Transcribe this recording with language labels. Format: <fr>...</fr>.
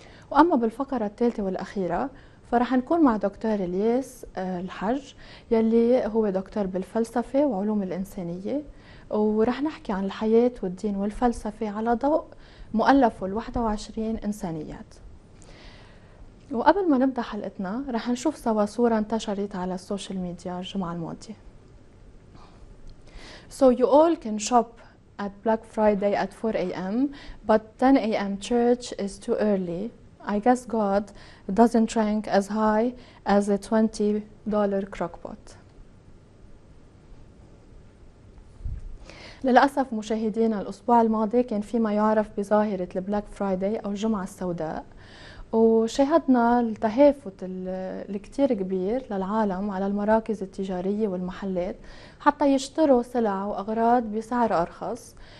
<ar>وأما بالفقرة الثالثة والأخيرة فرح نكون مع دكتور الياس الحج يلي هو دكتور بالفلسفة وعلوم الإنسانية، ورح نحكي عن الحياة والدين والفلسفة على ضوء مؤلفه 21 إنسانيات. وقبل ما نبدأ حلقتنا رح نشوف سوا صورة انتشرت على السوشيال ميديا الجمعة الماضية.</ar> <en>So you all can shop at Black Friday at 4 a.m. but 10 a.m. church is too early. I guess God doesn't rank as high as a $20 crockpot.</en> <ar>للأسف مشاهدينا الأسبوع الماضي كان في ما يعرف بظاهرة البلاك فرايداي أو الجمعة السوداء، وشاهدنا التهافت الكتير كبير للعالم على المراكز التجارية والمحلات حتى يشتروا سلع وأغراض بسعر أرخص.</ar>